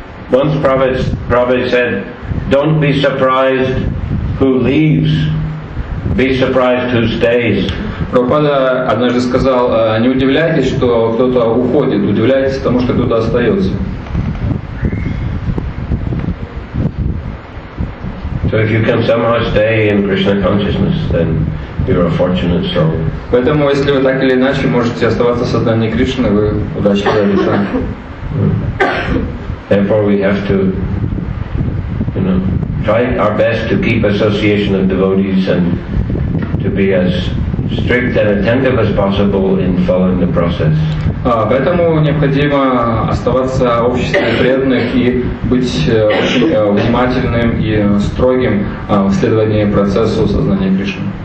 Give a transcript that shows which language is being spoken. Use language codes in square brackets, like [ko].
[en] Once Prabhupada said, don't be surprised who leaves. Be surprised who stays. [ru] Прабхупада однажды сказал, не удивляйтесь, что кто-то уходит, удивляйтесь тому, что кто-то остается. [en] So if you can somehow stay in Krishna consciousness, then you're a fortunate soul. [ru] Поэтому, если вы так или иначе можете оставаться в сознании Кришны, вы удачливая душа. [en] Therefore we have to, you know, try our best to keep association of devotees and to be as strict and attentive as possible in following the process. [ru] Поэтому необходимо оставаться в обществе преданных и быть очень внимательным и строгим в следовании процессу сознания Кришны.